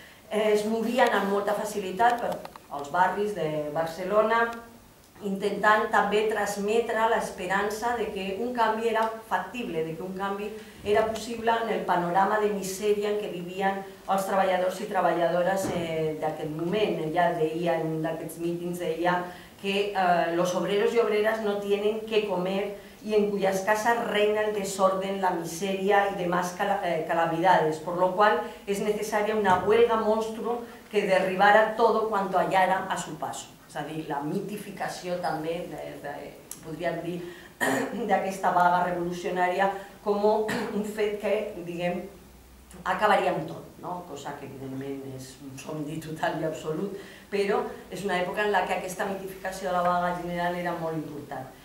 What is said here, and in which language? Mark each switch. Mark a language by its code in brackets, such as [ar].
[ca] Es movien amb molta facilitat als barris de Barcelona, intentant també transmetre l'esperança de que un canvi era factible, de que un canvi era possible en el panorama de misèria en què vivien els treballadors i treballadores d'aquest moment. Ja deia en un d'aquests mítings, deia que [es] los obreros y obreras no tienen qué comer y en cuyas casas reina el desorden, la miseria y demás calamidades, por lo cual es necesaria una huelga monstruo que derribara todo cuanto hallara a su paso. [ca] És a dir, la mitificació també, podríem dir, d'aquesta vaga revolucionària com un fet que, diguem, acabaria amb tot, no? Cosa que evidentment és un somni total i absolut, però és una època en la que aquesta mitificació de la vaga general era molt important.